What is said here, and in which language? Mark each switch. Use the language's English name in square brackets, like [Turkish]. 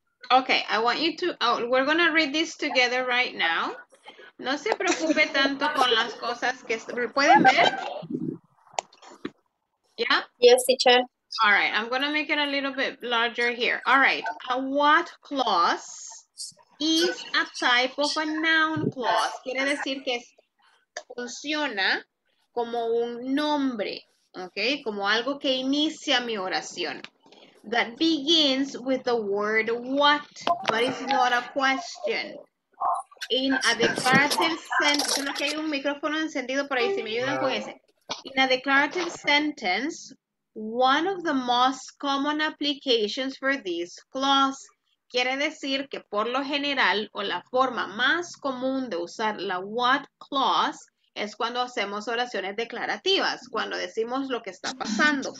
[English] Okay, I want you to, we're going to read this together right now. [Spanish] No se preocupe tanto con las cosas que, ¿pueden ver? [English] Yeah? Yes, teacher. All right, I'm going to make it a little bit larger here. All right, a what clause is a type of a noun clause. [Spanish] Quiere decir que funciona como un nombre, okay? Como algo que inicia mi oración. [English] That begins with the word what, but it's not a question. In a declarative sentence, [Spanish] creo que hay un micrófono encendido por ahí, si me ayudan con ese. [English] In a declarative sentence, one of the most common applications for this clause. [Spanish] Quiere decir que por lo general, o la forma más común de usar la what clause, es cuando hacemos oraciones declarativas, cuando decimos lo que está pasando.